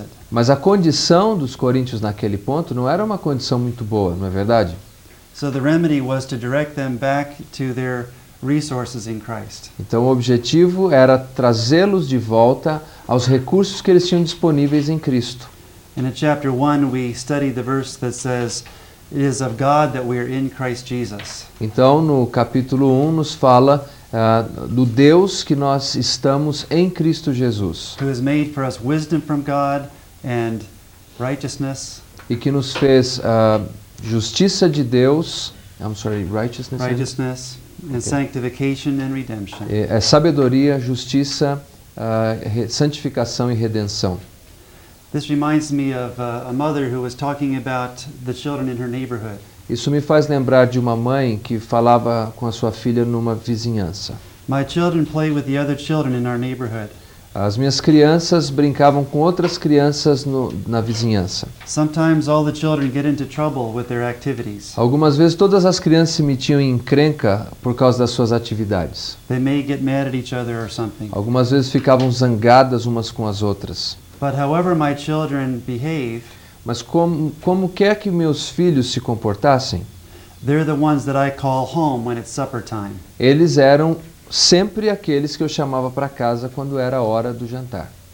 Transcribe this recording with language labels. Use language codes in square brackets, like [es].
[pt] Mas a condição dos Coríntios naquele ponto não era uma condição muito boa, não é verdade? Então, [en] a remedy was to direct them back to their resources in Christ. [pt] Então o objetivo era trazê-los de volta aos recursos que eles tinham disponíveis em Cristo. [en] In chapter 1 we studied the verse that says it is of God that we are in Christ Jesus. [pt] Então no capítulo 1 nos fala do Deus que nós estamos em Cristo Jesus. [en] Who has made for us wisdom from God and righteousness. [pt] E que nos fez justiça de Deus, [en] righteousness. And sanctification and redemption. [pt] É sabedoria, justiça, santificação e redenção. [en] This reminds me of a mother who was talking about the children in her neighborhood. [pt] Isso me faz lembrar de uma mãe que falava com a sua filha numa vizinhança. [en] My children play with the other children in our neighborhood. [pt] As minhas crianças brincavam com outras crianças na vizinhança. [en] Sometimes all the children get into trouble with their activities. [pt] Algumas vezes todas as crianças se metiam em encrenca por causa das suas atividades. [en] They may get mad at each other or something. [pt] Algumas vezes ficavam zangadas umas com as outras. [en] But however my children behave, [pt] mas como quer que meus filhos se comportassem, [en] they're the ones that I call home when it's supper time. [pt] Eles eram sempre aqueles que eu chamava para casa quando era a hora do jantar.